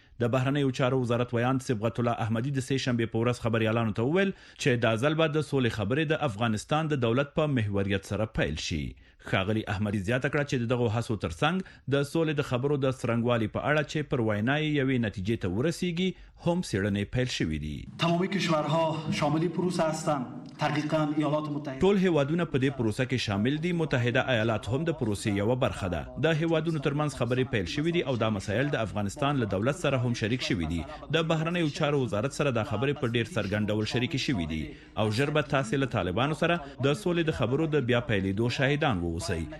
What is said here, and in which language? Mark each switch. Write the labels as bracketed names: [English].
[Pashto] د بهرنیو چارو وزارت ویان صبغت الله احمدی د سه‌شنبه په ورځ خبریالانو ته وویل چې دا ځل به د سولې خبرې د افغانستان د دولت په محوریت سره پیل شي. خاغلی احمدی زیاته کړه چې دغه هڅو ترڅنګ د سولې د خبرو د سرنګوالي په اړه چې پر وایناي یوې نتیجې ته ورسیږي هم سیړنې پیل شوې دي. [Persian] تمامي کشورها شاملې پروسه هستند. [Pashto] ټول هیوادونه په دې پروسه کې شامل دي. متحده ایالات هم د پروسې یو برخه ده. د هیوادونو ترمنځ خبرې پیل شوې دي او دا مسایل د افغانستان له دولت سره هم شریک شوې دي. د بهرنیو چارو وزارت سره دا خبرې په ډیر سرګند ډول شریک شوې دي او ژر به تاسو له طالبانو سره د سولې د خبرو د بیا پیلېدو شاهدان ووسئ.